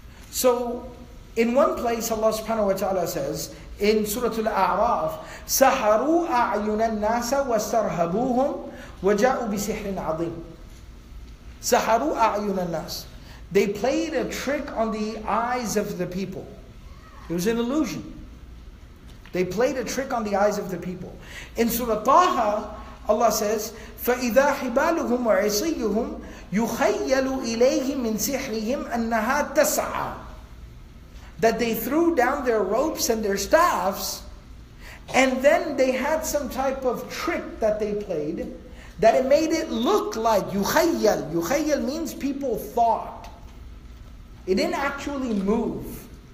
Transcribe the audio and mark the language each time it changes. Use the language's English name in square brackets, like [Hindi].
[English] So, in one place Allah subhanahu wa ta'ala says, in Surah Al-A'raf, [Arabic] سَحَرُوا أَعْيُنَ النَّاسَ وَاسْتَرْهَبُوهُمْ وَجَاءُوا بِسِحْرٍ عَظِيمٍ. سَحَرُوا أَعْيُنَ النَّاسَ. [English] They played a trick on the eyes of the people. It was an illusion. They played a trick on the eyes of the people. In Surah Taha, Allah says, [Arabic] فَإِذَا حِبَالُهُمْ وَعِصِيُّهُمْ يُخَيَّلُ إِلَيْهِمْ مِنْ سِحْرِهِمْ أَنَّهَا تَسْعَى. [English] That they threw down their ropes and their staffs, and then they had some type of trick that they played, that it made it look like يُخَيَّل. يُخَيَّل means people thought. It didn't actually move.